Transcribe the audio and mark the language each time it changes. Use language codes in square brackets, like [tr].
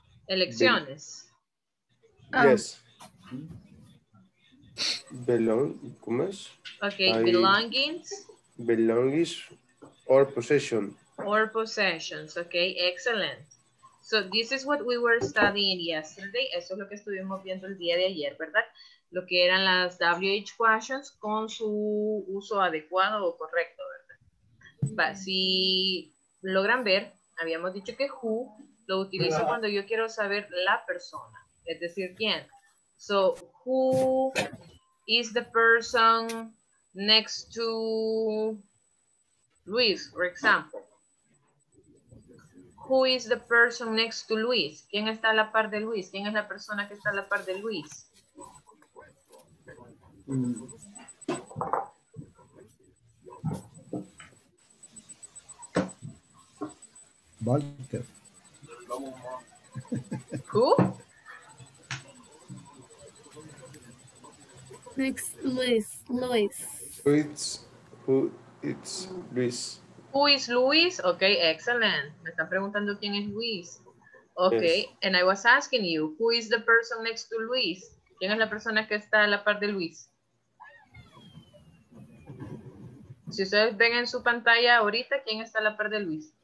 [es] Elecciones. [en] Yes. [es] Belong, ¿cómo es? [en] Okay, belongings. Belongings or possession. Or possessions, okay, excellent. So this is what we were studying yesterday. [es] Eso es lo que estuvimos viendo el día de ayer, ¿verdad? Lo que eran las WH questions con su uso adecuado o correcto, ¿verdad? But, si logran ver, habíamos dicho que who lo utilizo cuando yo quiero saber la persona, es decir, quién. [en] So, who is the person next to Luis, for example? Who is the person next to Luis? [es] ¿Quién está a la par de Luis? ¿Quién es la persona que está a la par de Luis? Walter. [en] Who? Next, Luis. Luis. Who is Luis? Who is Luis? Okay, excellent. [es] Me están preguntando quién es Luis. [en] Okay, yes. And I was asking you, who is the person next to Luis? [es] ¿Quién es la persona que está a la par de Luis? Si ustedes ven en su pantalla ahorita, ¿quién está a la par de Luis?